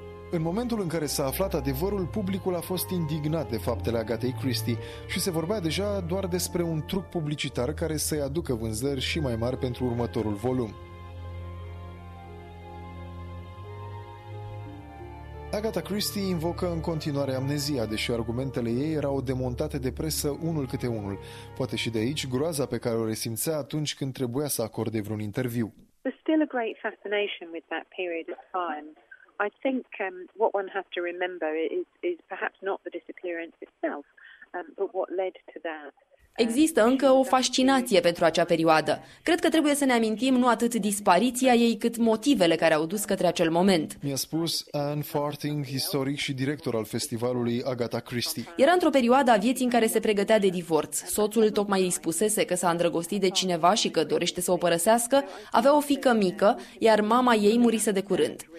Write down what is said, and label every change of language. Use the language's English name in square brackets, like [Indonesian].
[Romanian] În momentul în care s-a aflat adevărul, publicul a fost indignat de faptele Agathei Christie și se vorbea deja doar despre un truc publicitar care să-i aducă vânzări și mai mari pentru următorul volum. Agatha Christie invocă în continuare amnezia, deși argumentele ei erau demontate de presă unul câte unul. Poate și de aici groaza pe care o resimțea atunci când trebuia să acorde vreun interviu. [English] There's still a great fascination with that period of time. I think what one has to remember is perhaps not the disappearance itself, but what led to that. [Romanian] Există încă o fascinație pentru acea perioadă. Cred că trebuie să ne amintim nu atât dispariția ei, cât motivele care au dus către acel moment. Mi-a spus Anne Farthing, istoric și director al festivalului Agatha Christie. Era într-o perioadă a vieții în care se pregătea de divorț. Soțul tocmai îi spusese că s-a îndrăgostit de cineva și că dorește să o părăsească, avea o fică mică, iar mama ei murise de curând.